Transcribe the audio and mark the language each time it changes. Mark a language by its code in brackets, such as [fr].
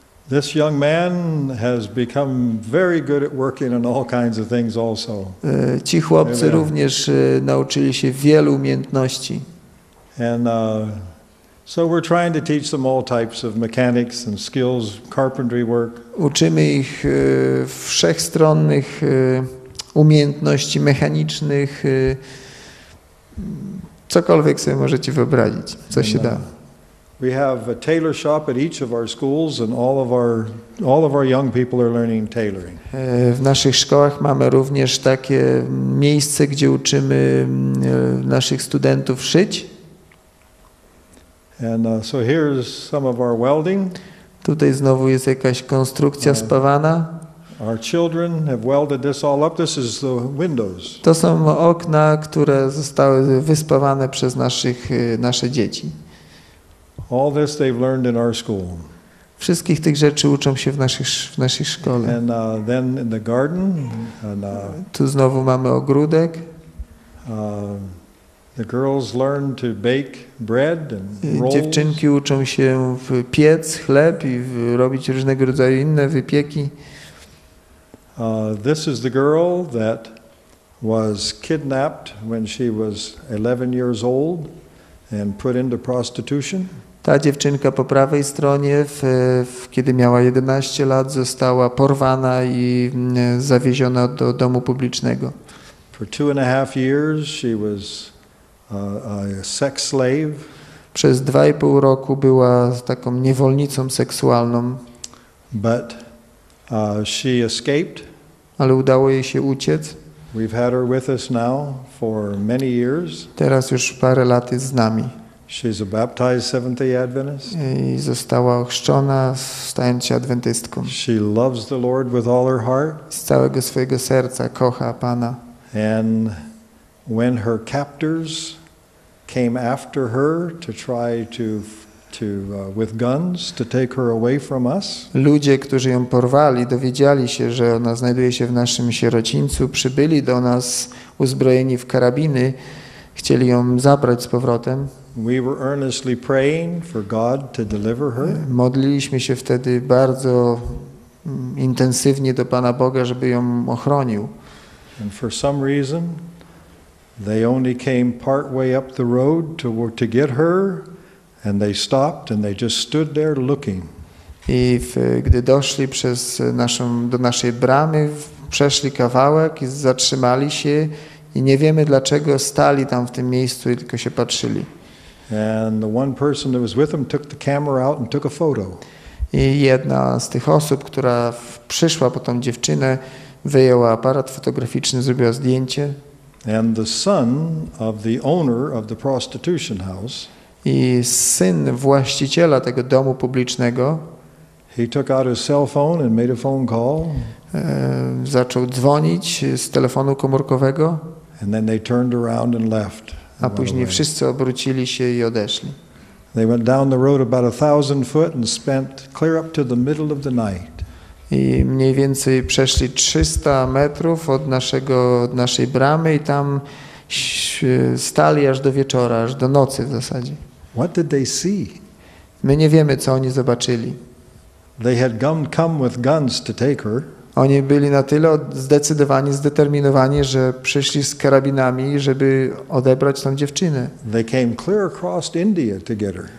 [en] This young man has become very good at working on all kinds of things also. [pl] Ci chłopcy również nauczyli się wielu umiejętności. [en] And so we're trying to teach them all types of mechanics and skills, carpentry work. [pl] Uczymy ich wszechstronnych umiejętności mechanicznych, cokolwiek sobie możecie wyobrazić, co się da. [en] We have a tailor shop at each of our schools, and all of our young people are learning tailoring. [pl] W naszych szkołach mamy również takie miejsce, gdzie uczymy naszych studentów szyć. [en] And so here's some of our welding. [pl] Tutaj znowu jest jakaś konstrukcja spawana. [en] Our children have welded this all up. This is the windows. [pl] To są okna, które zostały wyspawane przez nasze dzieci. [en] All this they've learned in our school. [pl] Wszystkich tych rzeczy uczą się w naszej szkole. [en] And then in the garden. And, [pl] tu znowu mamy ogródek. [en] The girls learn to bake bread and rolls. [pl] Dziewczynki uczą się piec chleb i robić różnego rodzaju inne wypieki. [en] This is the girl that was kidnapped when she was 11 years old and put into prostitution. [pl] Ta dziewczynka po prawej stronie, kiedy miała 11 lat, została porwana i zawieziona do domu publicznego. [en] For 2.5 years she was a sex slave. [pl] Przez 2,5 roku była taką niewolnicą seksualną. [en] But she escaped. [pl] Ale udało jej się uciec. [en] We've had her with us now for many years. [pl] Teraz już parę lat jest z nami. [en] She's a baptized Seventh-day Adventist. [pl] I została ochrzczona, stając się adwentystką. [en] She loves the Lord with all her heart. [pl] Z całego swojego serca kocha Pana. [en] And when her captors came after her to try to with guns to take her away from us. [pl] Ludzie, którzy ją porwali, dowiedzieli się, że ona znajduje się w naszym sierocińcu, przybyli do nas uzbrojeni w karabiny, chcieli ją zabrać z powrotem. [en] We were earnestly praying for God to deliver her. [pl] Modliliśmy się wtedy bardzo intensywnie do Pana Boga, żeby ją ochronił. [en] And for some reason, they only came partway up the road to get her, and they stopped and they just stood there looking. [pl] I gdy doszli do naszej bramy, przeszli kawałek i zatrzymali się i nie wiemy dlaczego stali tam w tym miejscu i tylko się patrzyli. [en] And the one person that was with him took the camera out and took a photo. [pl] I jedna z tych osób, która przyszła po tą dziewczynę, wyjęła aparat fotograficzny, zrobiła zdjęcie. [en] And the son of the owner of the prostitution house. [pl] I syn właściciela tego domu publicznego. [en] He took out his cell phone and made a phone call. [pl] Zaczął dzwonić z telefonu komórkowego. [en] And then they turned around and left. [pl] A później wszyscy obrócili się i odeszli. [en] They went down the road about 1,000 feet and spent clear up to the middle of the night. [pl] I mniej więcej przeszli 300 metrów od naszej bramy i tam stali aż do wieczora, aż do nocy w zasadzie. [en] What did they see? [pl] My nie wiemy, co oni zobaczyli. [en] They had come with guns to take her. [pl] Oni byli na tyle zdecydowani, zdeterminowani, że przyszli z karabinami, żeby odebrać tą dziewczynę. [en] They came clear across India to get her.